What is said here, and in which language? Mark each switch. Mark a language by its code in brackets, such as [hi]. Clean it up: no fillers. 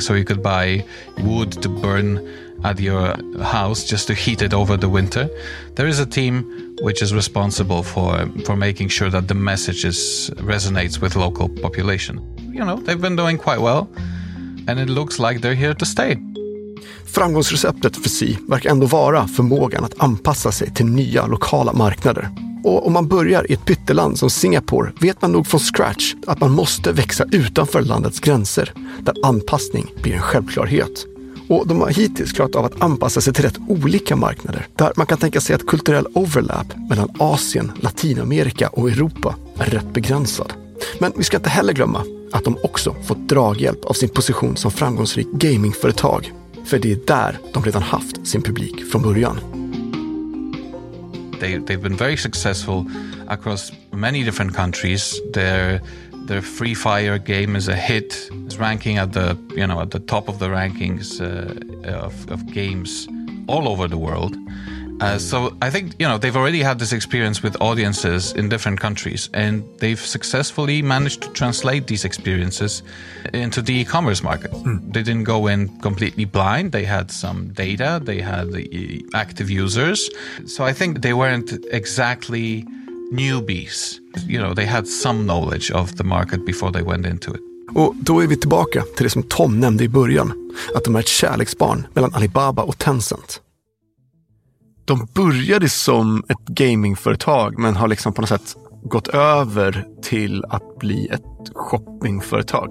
[en] So you could buy wood to burn at your house just to heat it over the winter. There is a team which is responsible for making sure that the message resonates with local population. You know, they've been doing quite well, and it looks like they're here to stay. [sv] Framgångsreceptet för Sea verkar ändå vara förmågan att anpassa sig till nya lokala marknader. Och om man börjar i ett pytteland som Singapore vet man nog från scratch att man måste växa utanför landets gränser, där anpassning blir en självklarhet. Och de har hittills klarat av att anpassa sig till rätt olika marknader, där man kan tänka sig att kulturell overlap mellan Asien, Latinamerika och Europa är rätt begränsad. Men vi ska inte heller glömma att de också fått draghjälp av sin position som framgångsrik gamingföretag. För det är där de redan haft sin publik från början. [en] They've been very successful across many different countries. Their Free Fire game is a hit. It's ranking at the, you know, at the top of the rankings of games all over the world. So I think, you know, they've already had this experience with audiences in different countries, and they've successfully managed to translate these experiences into the e-commerce market. Mm. They didn't go in completely blind. They had some data. They had the active users. So I think they weren't exactly newbies. You know, they had some knowledge of the market before they went into it. [sv] Och då är vi tillbaka till det som Tom nämnde i början, att de är ett kärleksbarn mellan Alibaba och Tencent. De började som ett gamingföretag men har liksom på något sätt gått över till att bli ett shoppingföretag.